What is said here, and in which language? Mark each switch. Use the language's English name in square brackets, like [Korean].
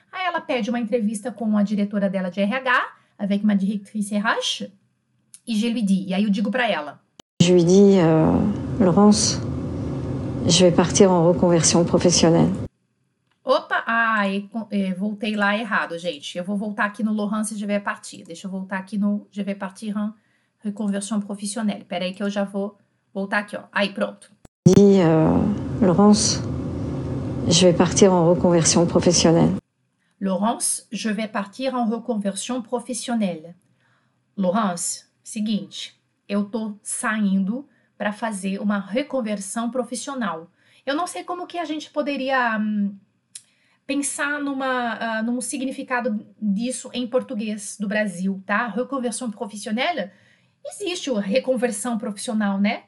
[Portuguese] Aí ela pede uma entrevista com a diretora dela de RH, [French] avec ma directrice RH, [Portuguese] e [French] je lui dis. [Portuguese] E aí eu digo pra ela. [French] Je lui dis, Laurence. Je vais partir en reconversion professionnelle. [Portuguese] Opa, ai, voltei lá errado, gente. Eu vou voltar aqui no Laurence, [French] je vais partir. [Portuguese] Deixa eu voltar aqui no [French] je vais partir en reconversion professionnelle. [Portuguese] Peraí que eu já vou voltar aqui, ó. Aí, pronto. [French] Laurence, je vais partir en reconversion professionnelle. Laurence, je vais partir en reconversion professionnelle. [Portuguese] Laurence, seguinte, eu tô saindo para fazer uma reconversão profissional. Eu não sei como que a gente poderia pensar num significado disso em português do Brasil, tá? Reconversão profissional? Existe o reconversão profissional, né?